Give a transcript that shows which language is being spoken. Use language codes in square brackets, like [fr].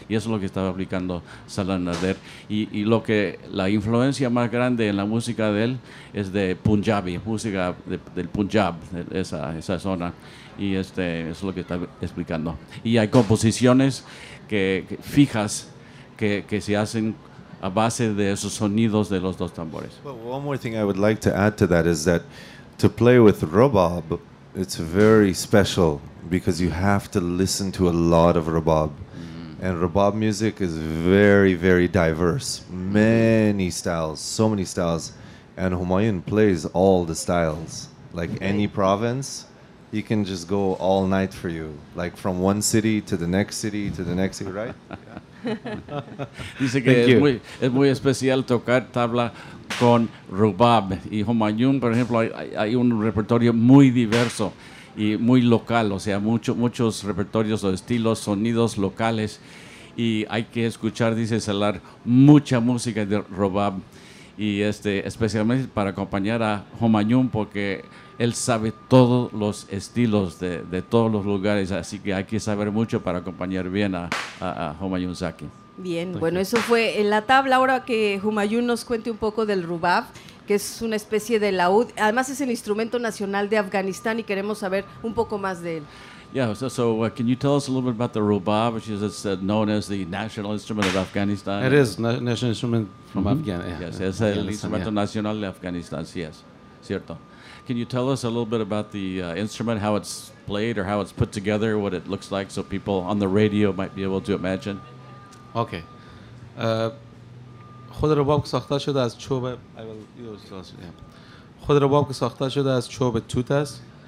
[es] Y eso es lo que estaba aplicando Salar Nader. Y lo que la influencia más grande en la música de él es de Punjabi, música del Punjab, esa zona. Y eso es lo que está explicando. Y hay composiciones que fijas que se hacen a base de esos sonidos de los dos tambores. [en] Well, one more thing I would like to add to that is that to play with rubab, it's very special because you have to listen to a lot of rubab. And rubab music is very, very diverse. Many styles, so many styles. And Humayun plays all the styles. Like any province, he can just go all night for you. Like from one city to the next city to the next city, right? [es] Dice que es muy especial tocar tabla con rubab. Y Humayun, por ejemplo, hay un repertorio muy diverso y muy local, o sea, muchos repertorios o estilos, sonidos locales, y hay que escuchar, dice Salar, mucha música de rubab, y especialmente para acompañar a Humayun, porque él sabe todos los estilos de todos los lugares, así que hay que saber mucho para acompañar bien a Humayun Zaki. Bien, bueno, eso fue en la tabla. Ahora que Humayun nos cuente un poco del rubab, que es una especie de laúd. Además, es el instrumento nacional de Afganistán y queremos saber un poco más de él. [en] Yeah, so can you tell us a little bit about the rubab, which is known as the national instrument of Afghanistan? It is national instrument from Afghanistan. [es] Yes, es el instrumento nacional de Afganistán, sí es, cierto. [en] Can you tell us a little bit about the instrument, how it's played or how it's put together, what it looks like, so people on the radio might be able to imagine? Okay. [fa] خود رباب ساخته شده از چوب. [en] I will use this. [fa] خود رباب ساخته شده از چوب توت است.